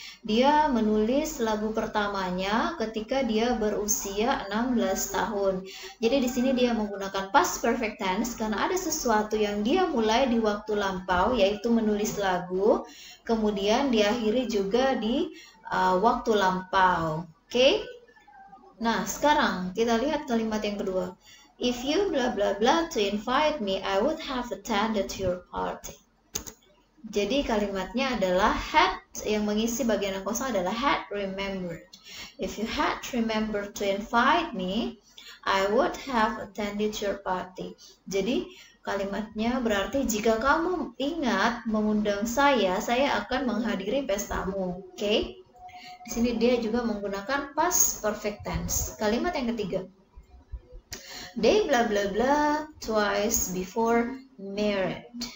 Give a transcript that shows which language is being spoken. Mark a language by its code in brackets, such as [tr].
[id] Dia menulis lagu pertamanya ketika dia berusia 16 tahun. Jadi di sini dia menggunakan past perfect tense karena ada sesuatu yang dia mulai di waktu lampau, yaitu menulis lagu, kemudian diakhiri juga di waktu lampau. Oke? Nah, sekarang kita lihat kalimat yang kedua. [en] If you blah blah blah to invite me, I would have attended your party. [id] Jadi kalimatnya adalah had, yang mengisi bagian yang kosong adalah had remembered. [en] If you had remembered to invite me, I would have attended your party. [id] Jadi kalimatnya berarti jika kamu ingat mengundang saya akan menghadiri pestamu. Okay? Di sini dia juga menggunakan past perfect tense. Kalimat yang ketiga. [en] They blah blah blah twice before married.